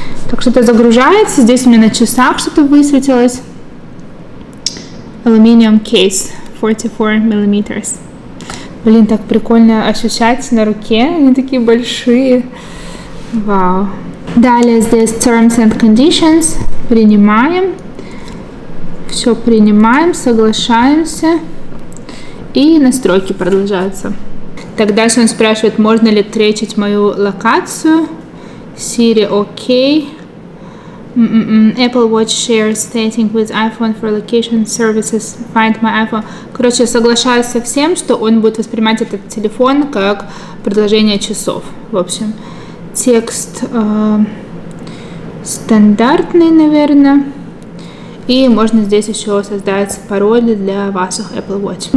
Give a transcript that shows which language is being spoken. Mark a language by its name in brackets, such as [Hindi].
[Russian] Так что это загружается. Здесь у меня на часах что-то высветилось. [English] Aluminium case. 44 millimeters. [Russian] Блин, так прикольно ощущать на руке. Они такие большие. Вау. Далее здесь [English] terms and conditions. [Russian] Принимаем. Все принимаем, соглашаемся. И настройки продолжаются. Так, дальше он спрашивает, можно ли тречить мою локацию. Siri, окей. [English] Apple Watch shares setting with iPhone for location services. Find my iPhone. [Russian] Короче, соглашаюсь со всем, что он будет воспринимать этот телефон как приложение часов. В общем, текст стандартный, наверное. И можно здесь еще создать пароль для ваших Apple Watch.